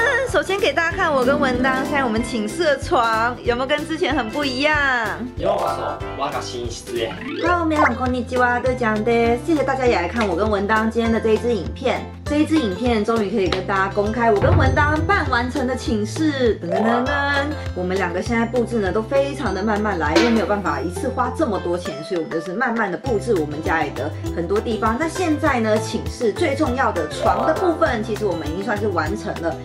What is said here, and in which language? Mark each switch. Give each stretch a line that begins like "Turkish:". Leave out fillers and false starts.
Chinese: 首先给大家看我跟文当现在我们寝室的床有没有跟之前很不一样。
Japanese: ようこそ我が寝室へ。 Hello 皆さんこんにちは、ドゥちゃんです。
Chinese: 谢谢大家也来看我跟文当今天的这一支影片。这一支影片终于可以跟大家公开我跟文当半完成的寝室。噔噔噔噔，我们两个现在布置呢都非常的慢慢来，因为没有办法一次花这么多钱，所以我们就是慢慢的布置我们家里的很多地方。那现在呢，寝室最重要的床的部分，其实我们已经算是完成了。